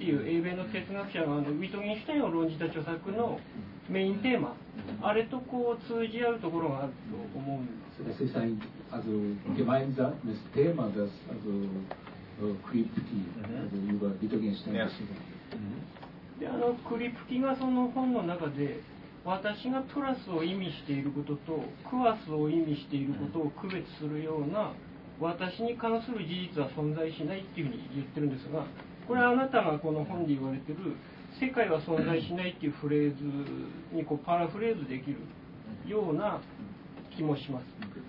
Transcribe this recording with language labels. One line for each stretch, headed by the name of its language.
Japanese: ていう英米の哲学者のウィトゲンシュタインを論じた著作のメインテーマ、あれとこう通じ合うところがあると思うんです。
German: Es ist ein also gemeinsames Thema, das also Kripke über Wittgenstein beschreibt.
Japanese: で、あのクリプキがその本の中で私がトラスを意味していることとクワスを意味していることを区別するような私に関する事実は存在しないっていうふうに言ってるんですが、これはあなたがこの本で言われてる世界は存在しないっていうフレーズにこうパラフレーズできるような気もします。